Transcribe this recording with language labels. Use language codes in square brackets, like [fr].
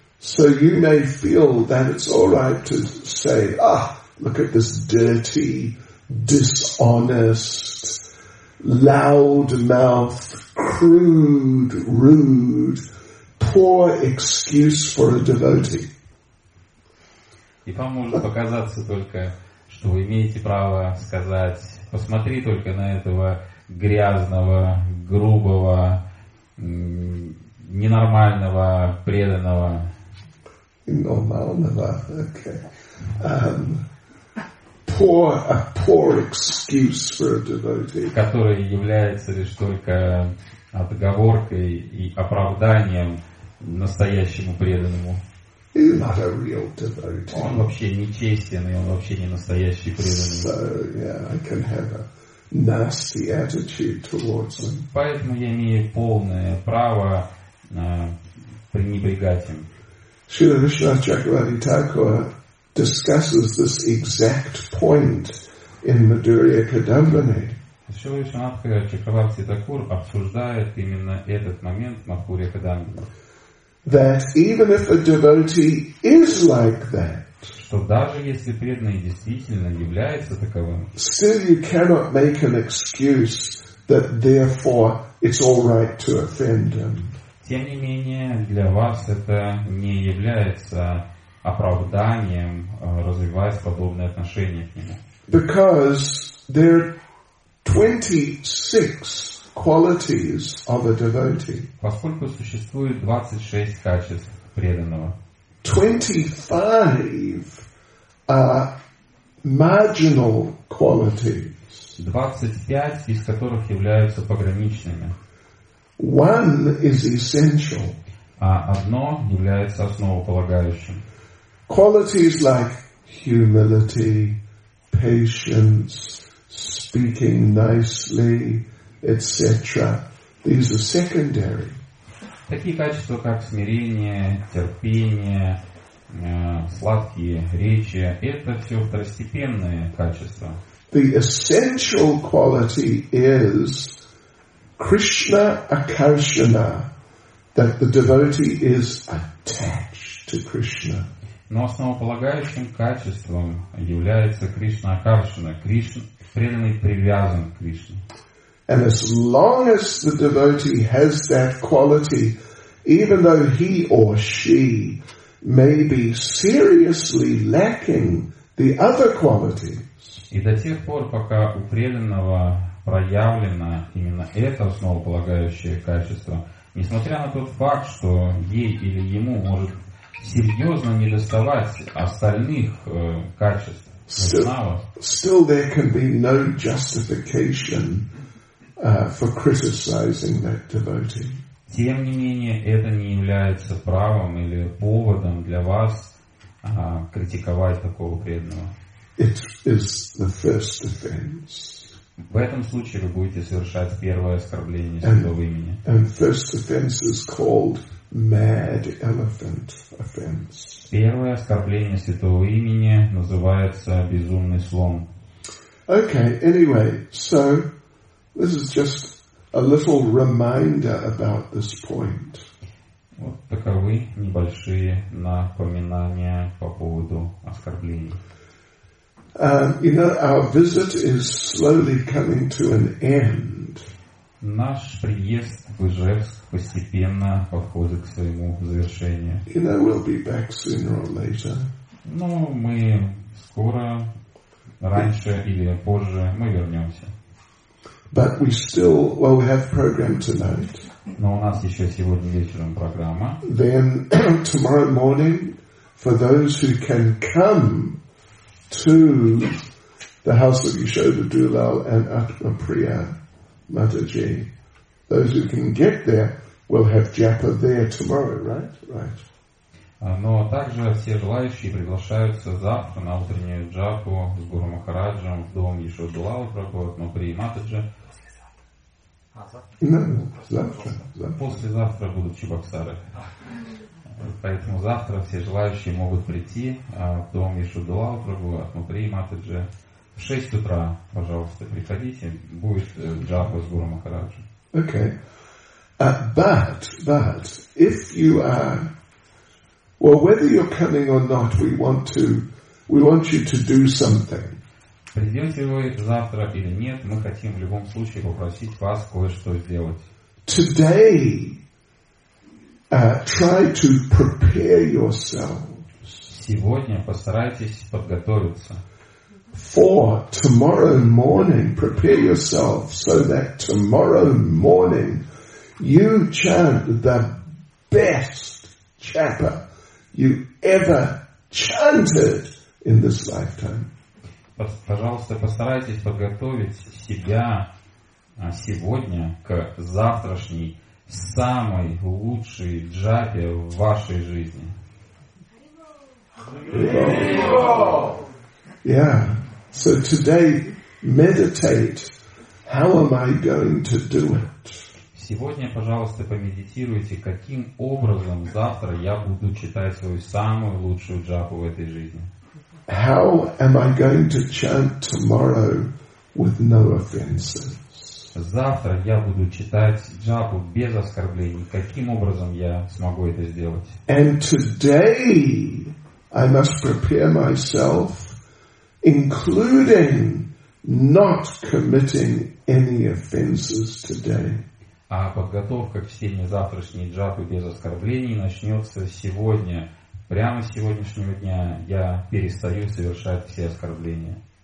[en] So you may feel that it's all right to say, look at this dirty, dishonest, loud mouth, crude, rude, poor excuse for a devotee. [ru] И вам может показаться только, что вы имеете право сказать, посмотри только на этого грязного, грубого, ненормального, преданного. Ненормального, [en] okay. A poor excuse for a devotee. [ru] Который является лишь только отговоркой и оправданием настоящему преданному. [en] He's not a real devotee. [ru] Он вообще нечестен, и он вообще не настоящий преданный. [en] So, yeah, I can have a nasty attitude towards him. [ru] Поэтому я имею полное право пренебрегать им. [en] Шрила Вишнава Чакраварти Тхакура discusses this exact point in Madhurya Kadambini. [ru] Шрила Вишнава Чакраварти Тхакур обсуждает именно этот момент Мадхурья Кадамбини. [en] That even if a devotee is like that, [ru] что даже если преданный действительно является таковым, [en] still you cannot make an excuse that therefore it's all right to offend him. [ru] Тем не менее, для вас это не является оправданием развивать подобные отношения к нему. [en] Because there are 26 qualities of a devotee. [ru] Поскольку существует 26 качеств преданного. [en] 25 are marginal qualities. [ru] 25 из которых являются пограничными. [en] One is essential. [ru] А одно является основополагающим. [en] Qualities like humility, patience, speaking nicely, etc. These are secondary. [ru] Такие качества, как смирение, терпение, сладкие речи, это все второстепенные качества. [en] The essential quality is Krishna Akarshana, that the devotee is attached to Krishna. [ru] Но основополагающим качеством является Кришна Акаршана. Кришна, преданный привязан к Кришне. [en] And as long as the devotee has that quality, even though he or she may be seriously lacking the other qualities. [ru] И до тех пор, пока у преданного проявлено именно это основополагающее качество, несмотря на тот факт, что ей или ему может серьезно недоставать остальных качеств, [en] still there can be no justification for criticizing that devotee. [ru] Тем не менее, это не является правом или поводом для вас критиковать такого преданного. [en] It is the first offense. [ru] В этом случае вы будете совершать первое оскорбление святого имени. [en] And first offense is called mad elephant offense. [ru] Первое оскорбление святого имени называется безумный слон. [en] Okay, anyway, so this is just a little reminder about this point. [ru] Вот таковы небольшие напоминания по поводу оскорблений. [en] You know, our visit is slowly coming to an end. [ru] Наш приезд в Ижевск постепенно подходит к своему завершению. [en] You know, we'll be back sooner or later. [ru] Но мы скоро, раньше или позже, мы вернемся. [en] But we still, well, we have program tonight. [ru] Но у нас еще сегодня вечером программа. [en] Then tomorrow morning, for those who can come to the house of Yashoda Dulal and Atma Priya Mataji, those who can get there will have japa there tomorrow, right? Right. [ru] Но также все желающие приглашаются завтра на утреннюю джапу с Гуру Махараджем в дом Йешоды Дулал Прабхупады, но при Матаджи. [en] No, [ru] завтра. Завтра. Послезавтра будут Чебоксары. Поэтому завтра все желающие могут прийти в дом Йешоды Дулал Прабхупады, но при Матаджи. В 6 утра, пожалуйста, приходите. Будет джапа с Гуру Махараджем. [en] Okay. But, if you are... Well, whether you're coming or not, we want you to do something. [ru] Придете вы завтра или нет, мы хотим в любом случае попросить вас кое-что сделать. [en] Today, try to prepare yourselves. [ru] Сегодня постарайтесь подготовиться. [en] For tomorrow morning, prepare yourself so that tomorrow morning you chant the best japa you ever chanted in this lifetime. [ru] Пожалуйста, постарайтесь подготовить себя сегодня к завтрашней самой лучшей джапе в вашей жизни. [en] Yeah. So today meditate. How am I going to do it? [ru] Сегодня, пожалуйста, помедитируйте, каким образом завтра я буду читать свою самую лучшую джапу в этой жизни. [en] How am I going to chant tomorrow with no offenses? [ru] Завтра я буду читать джапу без оскорблений. Каким образом я смогу это сделать? [en] And today I must prepare myself, including not committing any offenses today. [ru] А подготовка к чтению завтрашней джапы без оскорблений начнется сегодня. Прямо с сегодняшнего дня я перестаю совершать все оскорбления.